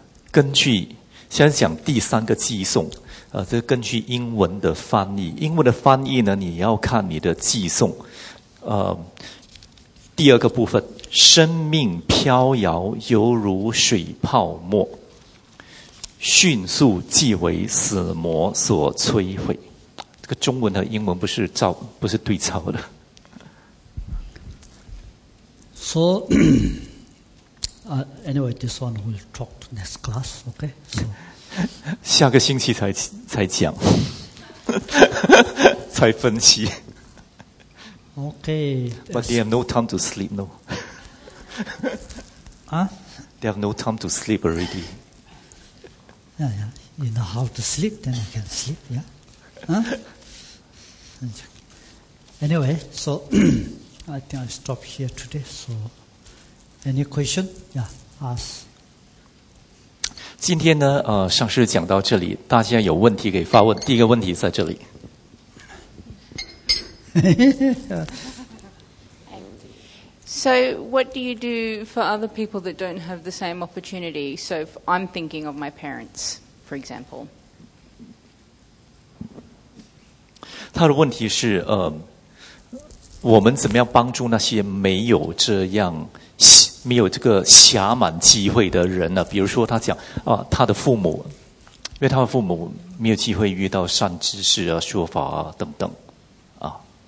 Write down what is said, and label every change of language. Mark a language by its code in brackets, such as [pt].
[zh] 根据现在讲第三个寄送，这根据英文的翻译，英文的翻译呢，你要看你的寄送，第二个部分，生命飘摇犹如水泡沫，迅速即为死魔所摧毁。这个中文和英文不是对照的。 [en] So. Anyway, this one we'll talk to next class, okay? So, [zh] 下个星期才讲，才分析。 [en] Okay. But they have no time to sleep, no. 啊？They have no time to sleep already. Yeah, yeah. You know how to sleep, then you can sleep. Yeah. 啊、huh? ？Anyway, so I think I'll stop here today. So. Any question? Yeah, ask. [zh] 今天呢，上师讲到这里，大家有问题可以发问。第一个问题在这里。 [en] So, what do you do for other people that don't have the same opportunity? So, if I'm thinking of my parents, for example. [zh] 他的问题是，我们怎么样帮助那些没有这样？没有这个暇满机会的人呢、啊？比如说，他讲啊，他的父母，因为他的父母没有机会遇到善知识啊、说法啊等等，啊。